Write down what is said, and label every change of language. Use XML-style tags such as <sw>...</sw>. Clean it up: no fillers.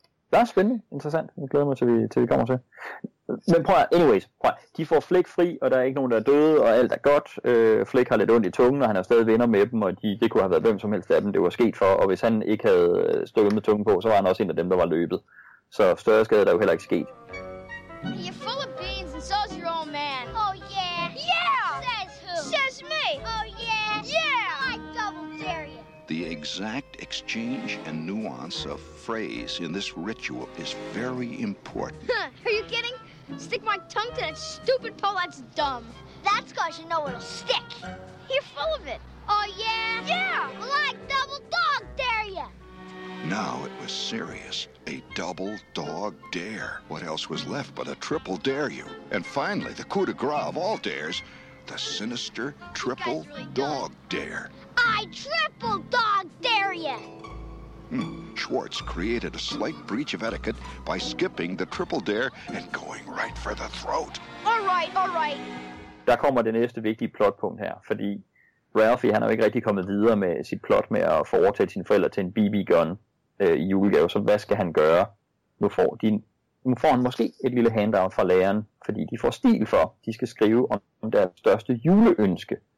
<da>Det er spændende, interessant. Jeg glæder mig, til vi kommer til. Men prøv at, anyways, de får Flick fri, og der er ikke nogen, der er døde, og alt er godt. Flick har lidt ondt i tungen, og han er stadig venner med dem, og det kunne have været hvem som helst af dem, det var sket for. Og hvis han ikke havde stået med tungen på, så var han også en af dem, der var løbet. Så større skade er jo heller ikke sket.</da> <en>You're full of beans, and so's your old man. Oh, yeah. Yeah! Says who? Says me. Oh, yeah. Yeah! I double dare you. The exact exchange and nuance of phrase in this ritual is very important. Are you kidding? Stick my tongue to that stupid pole, that's dumb. That's 'cause you know it'll stick. You're full of it. Oh, yeah? Yeah! Well, I double dog dare you. Now it was serious. A double dog dare. What else was left but a triple dare you? And finally, the coup de grace of all dares, the sinister triple really dog dumb. Dare. I triple dog dare you! Schwartz created a slight breach of etiquette by skipping the triple dare and going right for the throat. All right.</en> <da>Der kommer det næste vigtige plotpunkt her, fordi Ralphie, han er jo ikke rigtig kommet videre med sit plot med at få overtalt sine forældre til en BB-gun i julegave, så hvad skal han gøre? Nu får han måske et lille handout fra læreren, fordi de får stil for, de skal skrive om deres største juleønske.</da>